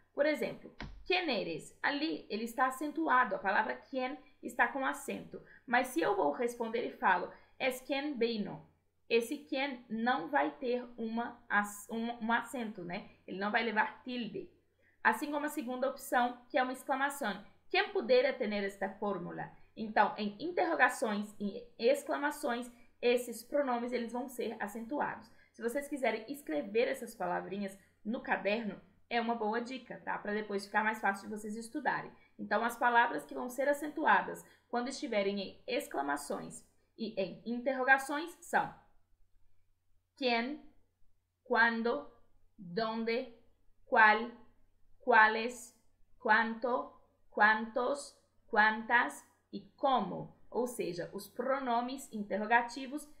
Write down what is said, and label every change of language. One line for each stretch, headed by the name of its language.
Portuguese: Por exemplo,
Spanish: quién eres?
Portuguese: Ali, ele está acentuado, a palavra quién está com acento. Mas se eu vou responder e falo,
Spanish: es quién vino?
Portuguese: Esse quién não vai ter um acento, né? Ele não vai levar tilde. Assim como a segunda opção, que é uma exclamação.
Spanish: ¿Quién pudiera tener esta fórmula?
Portuguese: Então, em interrogações e exclamações, esses pronomes eles vão ser acentuados. Se vocês quiserem escrever essas palavrinhas no caderno, é uma boa dica, tá? Para depois ficar mais fácil de vocês estudarem. Então, as palavras que vão ser acentuadas quando estiverem em exclamações e em interrogações são quem, quando, onde, qual, quais, quanto, quantos, quantas e como. Ou seja, os pronomes interrogativos